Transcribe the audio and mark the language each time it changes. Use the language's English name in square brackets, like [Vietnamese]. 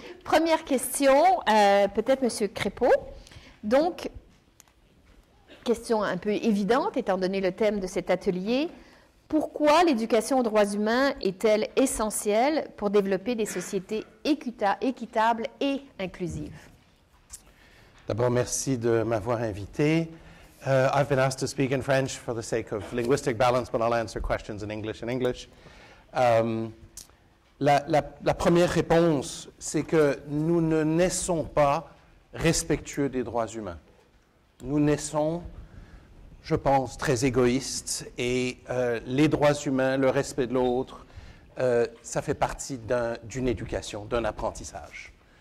[French] Première question, peut-être M. Crépeau. Donc, question un peu évidente, étant donné le thème de cet atelier, pourquoi l'éducation aux droits humains est-elle essentielle pour développer des sociétés équitables et inclusives? D'abord, merci de m'avoir invité. [English] I've been asked to speak in French for the sake of linguistic balance, but I'll answer questions in English and English. [French] La première réponse, c'est que nous ne naissons pas respectueux des droits humains. Nous naissons, je pense, très égoïstes, et les droits humains, le respect de l'autre, ça fait partie d'une éducation, d'un apprentissage.